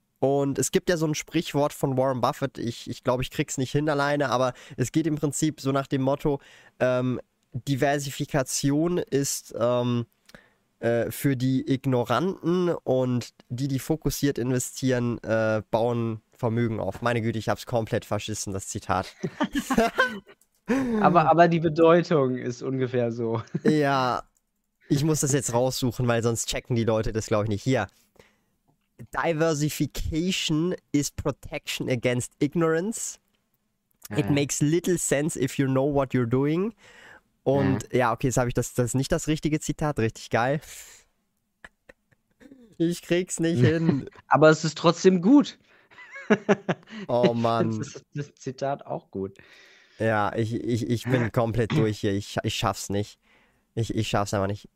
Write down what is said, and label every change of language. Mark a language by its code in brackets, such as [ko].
[de] Und es gibt ja so ein Sprichwort von Warren Buffett. Ich glaube, ich krieg's nicht hin alleine, aber es geht im Prinzip so nach dem Motto, Diversifikation ist für die Ignoranten und die, die fokussiert investieren, bauen Vermögen auf. Meine Güte, ich habe es komplett verschissen, das Zitat. Aber die Bedeutung ist ungefähr so. Ja, ich muss das jetzt raussuchen, weil sonst checken die Leute das, glaube ich, nicht. Hier. [en] Diversification is protection against ignorance. It makes little sense if you know what you're doing. [de] Und ja, okay, jetzt habe ich das ist nicht das richtige Zitat, richtig geil. Ich krieg's nicht hin. Aber es ist trotzdem gut. Oh Ich finde Mann. das Zitat auch gut. Ja, ich bin komplett durch hier. Ich schaff's nicht. Ich schaff's einfach nicht.